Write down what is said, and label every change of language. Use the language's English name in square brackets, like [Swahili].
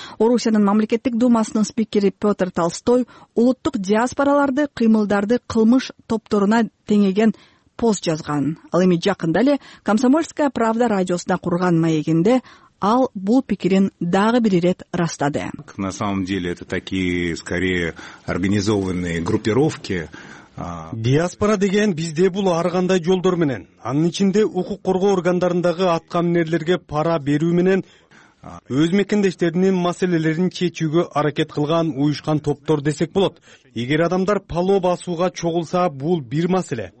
[Kyrgyz] Орусиянын мамлекеттик думасынын спикери Петр Толстой улуттук диаспораларды кыймылдарды кылмыш топторуна теңеген пост жазган. Ал эми жакында эле Комсомольская правда радиосуна курган маегинде ал бул пикирин дагы бир ирет ырастады. [Russian] На самом деле это такие скорее организованные группировки. [Kyrgyz] Диаспора деген бизде бул ар кандай жолдор менен, анын ичинде укук коргоо органдарындагы аткаминерлерге пара берүү менен өз мекендештеринин маселелерин чечүүгө аракет кылган уюшкан топтор десек болот. Эгер адамдар пало басууга чогулса, бул бир маселе.